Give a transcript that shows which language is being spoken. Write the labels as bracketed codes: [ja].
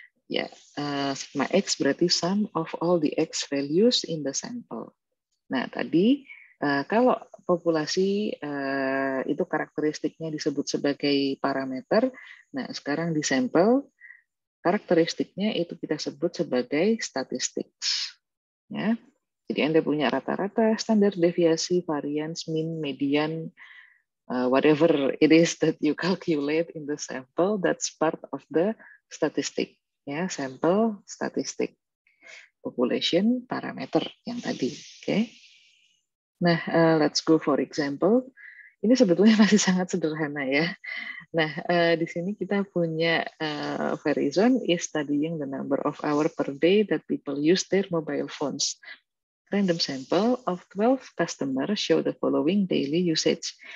[id] Ya, sigma X berarti [en] sum of all the X values in the sample. [id] Nah, tadi kalau populasi itu karakteristiknya disebut sebagai parameter. Nah, sekarang di sampel karakteristiknya itu kita sebut sebagai statistik. Ya. Jadi Anda punya rata-rata, standar deviasi, [en] variance, mean, median, whatever it is that you calculate in the sample, that's part of the statistic. [id] Ya, sampel statistik. Population parameter yang tadi, oke. Okay. [en] Nah, let's go for example. [id] Ini sebetulnya masih sangat sederhana ya. Nah, di sini kita punya [en] Verizon is studying the number of hour per day that people use their mobile phones. Random sample of 12 customers show the following daily usage.